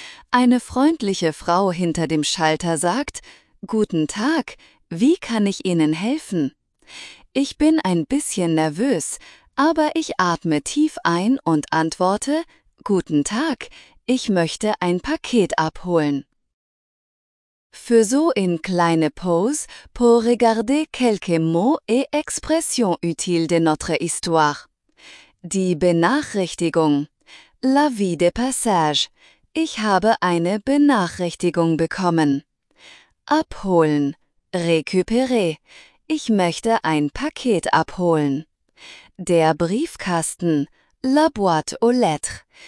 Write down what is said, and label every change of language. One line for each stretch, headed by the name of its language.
German: Eine freundliche Frau hinter dem Schalter sagt: "Guten Tag, wie kann ich Ihnen helfen?" Ich bin ein bisschen nervös, aber ich atme tief ein und antworte: "Guten Tag, ich möchte ein Paket abholen." Für so in kleine Pause,
French: pour regarder quelques mots et expressions utiles de notre histoire.
German: Die Benachrichtigung.
French: L'avis de passage.
German: Ich habe eine Benachrichtigung bekommen. Abholen. Récupérer. Ich möchte ein Paket abholen. Der Briefkasten.
French: La boîte aux lettres.